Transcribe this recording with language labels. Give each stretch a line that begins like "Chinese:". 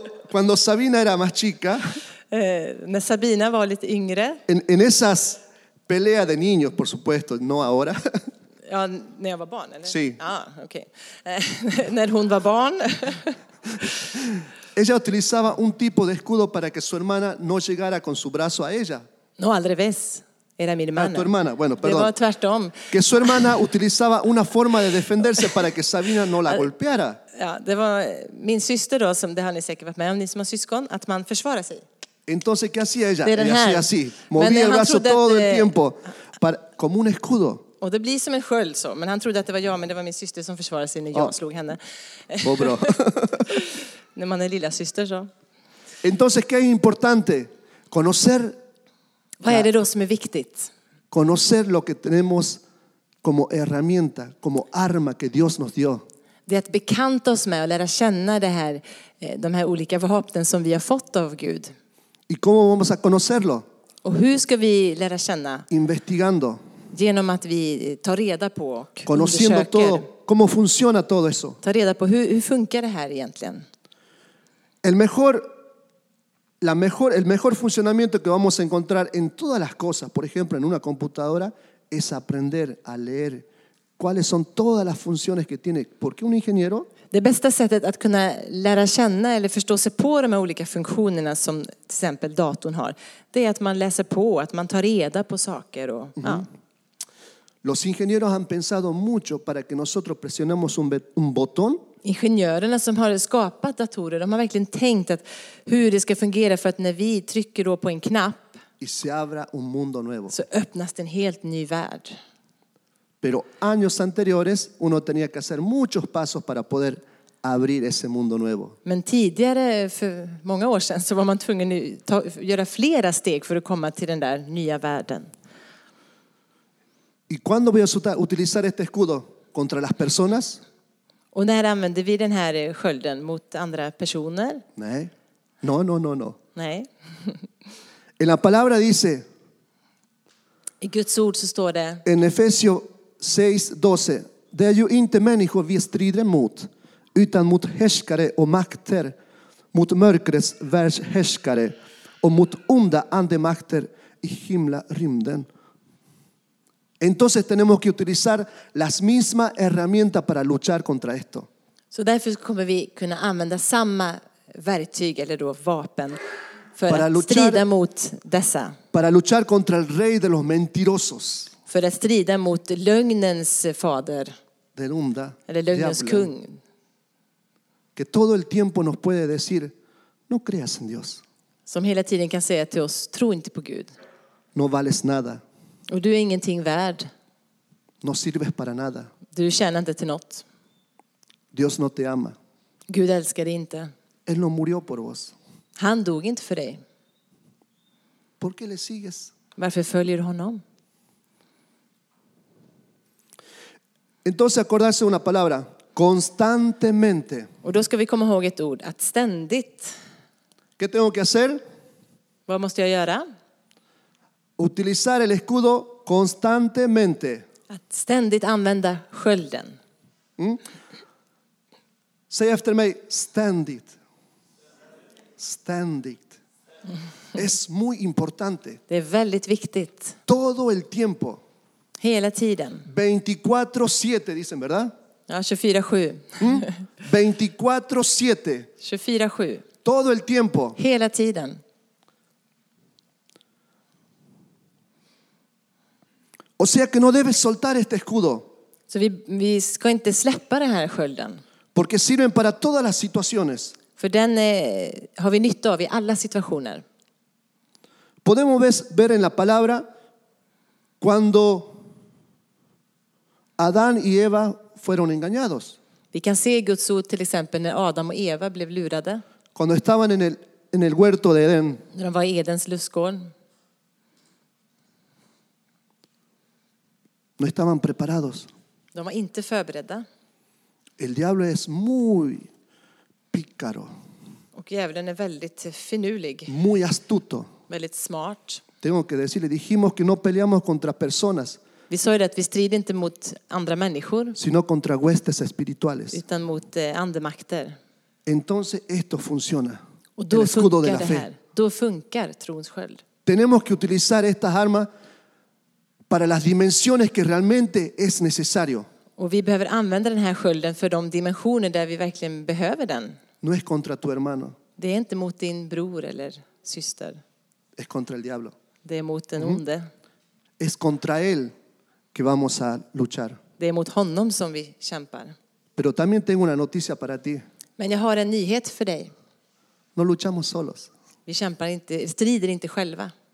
Spanish: Cuando Sabina era más chica.
Swedish: När Sabina var lite yngre.
Spanish: En esas pelea de niños, por supuesto, no ahora.
Swedish: Ja, när jag var barn, eller?
Spanish: Sí.
Swedish: Ah, okay. När hon var barn.
Spanish: Ella utilizaba un tipo de escudo para que su hermana no llegara con su brazo a ella. No, al revés. Era mi hermana. Tu hermana, bueno, perdón.
Swedish: Det var tvärtom.
Spanish: Que su hermana utilizaba una forma de defenderse para que Sabina no la golpeara.
Swedish: Ja, det var min syster då, som det har ni säkert varit med om, ni som har syskon, att man försvarar sig.
Spanish: Entonces, ¿qué hacía ella? Ella hacía así. Movía el brazo todo el tiempo. Como un escudo.
Swedish: Och det blir som en sköld så. Men han trodde att det var jag, men det var min syster som försvarade sig när jag slog henne. Vad bra. När man är lilla syster så.
Spanish: Entonces, ¿qué es importante? Conocer.
Swedish: Vad är det då som är viktigt?
Spanish: Conocer lo que tenemos como herramienta, como arma que Dios nos dio.
Swedish: Det är att bekanta oss med och lära känna det här, de här olika vapnen som vi har fått av Gud.
Spanish: ¿Y cómo vamos a conocerlo?
Swedish: Och hur ska vi lära känna?
Spanish: Investigando.
Swedish: Genom att vi tar reda på och
Spanish: conociendo
Swedish: undersöker.
Spanish: Todo, cómo funciona todo eso.
Swedish: Ta reda på hur funkar det här egentligen?
Spanish: El mejor funcionamiento que vamos a encontrar en todas las cosas, por ejemplo, en una computadora, es aprender a leer cuáles son todas las funciones que tiene. Porque un ingeniero.
Swedish: Det bästa sättet att kunna lära känna eller förstå sig på de här olika funktionerna som till exempel datorn har, det är att man läser på, att man tar reda på saker och. Mm-hmm. Ja.
Spanish: Los ingenieros han pensado mucho para que nosotros presionemos un botón.
Swedish: ingenjörerna som har skapat datorer, de har verkligen tänkt att hur det ska fungera för att när vi trycker då på en knapp
Spanish: y se abra un mundo nuevo.
Swedish: Så öppnas en helt ny värld.
Spanish: Pero años anteriores uno tenía que hacer muchos pasos para poder abrir ese mundo nuevo.
Swedish: Men tidigare, för många år sedan, så var man tvungen att göra flera steg för att komma till den där nya världen.
Spanish: ¿Y cuándo voy a utilizar este escudo contra las personas?
Swedish: Och när använder vi den här skölden mot andra personer? Nej.
Spanish: No.
Swedish: Nej.
Spanish: En la palabra dice.
Swedish: I Guds ord så står det.
Spanish: En Efesios 6:12.
Swedish: Det är ju inte människor vi strider mot, utan mot härskare och makter, mot mörkrets världshärskare och mot onda andemakter i himla rymden.
Spanish: Entonces tenemos que utilizar las mismas herramientas para luchar contra esto.
Swedish: Så därför kommer vi kunna använda samma verktyg eller då vapen för
Spanish: para
Swedish: att
Spanish: luchar,
Swedish: strida mot dessa.
Spanish: Para luchar contra el rey de los mentirosos.
Swedish: För att strida mot lögnens fader. Den onda. Eller lögnens kung.
Spanish: Que todo el tiempo nos puede decir, no creas en Dios.
Swedish: Som hela tiden kan säga till oss, tro inte på Gud.
Spanish: No vales nada.
Swedish: Och du är ingenting värd.
Spanish: No sirves para nada.
Swedish: Du tjänar inte till något.
Spanish: Dios no te ama.
Swedish: Gud älskar dig inte.
Spanish: Él no murió por vos.
Swedish: Han dog inte för dig.
Spanish: ¿Por qué le sigues?
Swedish: Varför följer du honom?
Spanish: Entonces acordarse una palabra. Constantemente.
Swedish: Och då ska vi komma ihåg ett ord. Att ständigt.
Spanish: ¿Qué tengo que hacer?
Swedish: Vad måste jag göra?
Spanish: Utilizar el escudo constantemente.
Swedish: Att ständigt använda skölden. Mm. Säg efter mig, ständigt. Ständigt.
Spanish: Es muy importante.
Swedish: Det är väldigt viktigt.
Spanish: Todo el tiempo.
Swedish: Hela tiden.
Spanish: 24/7 dicen, ¿verdad?
Swedish: Ja, 24/7. Mm. 24/7. 24/7.
Spanish: Todo el tiempo.
Swedish: Hela tiden.
Spanish: O sea que no debes soltar este escudo.
Swedish: Så vi ska inte släppa den här skölden.
Spanish: Porque sirven para todas las situaciones.
Swedish: För den har vi nytta av i alla situationer.
Spanish: Podemos ver en la palabra cuando Adán y Eva fueron engañados.
Swedish: Vi kan se Guds ord till exempel när Adam och Eva blev lurade.
Spanish: Cuando estaban en el huerto de Edén.
Swedish: När de var i Edens lustgård.
Spanish: No estaban preparados.
Swedish: De var inte förberedda.
Spanish: El diablo es muy pícaro.
Swedish: Och djävulen är väldigt finurlig.
Spanish: Muy astuto.
Swedish: Väldigt smart.
Spanish: Tengo que decirle, dijimos que no peleamos contra personas.
Swedish: Vi sa ju att vi strider inte mot andra människor.
Spanish: Sino contra huestes espirituales.
Swedish: Utan mot andemakter.
Spanish: Entonces esto funciona.
Swedish: Och då funkar det här. Då funkar trons sköld.
Spanish: Tenemos que utilizar estas armas para las dimensiones que realmente es necesario.
Swedish: Och vi behöver använda den här skölden för de dimensioner där vi verkligen behöver den.
Spanish: No es contra tu hermano.
Swedish: Det är inte mot din bror eller syster.
Spanish: Es contra el diablo.
Swedish: Det är mot den onde.
Spanish: Es contra él que vamos a luchar.
Swedish: Det är mot honom som vi kämpar.
Spanish: Pero también tengo una noticia para ti.
Swedish: Men jag har en nyhet för dig.
Spanish: No luchamos solos.
Swedish: Vi kämpar inte, strider inte själva.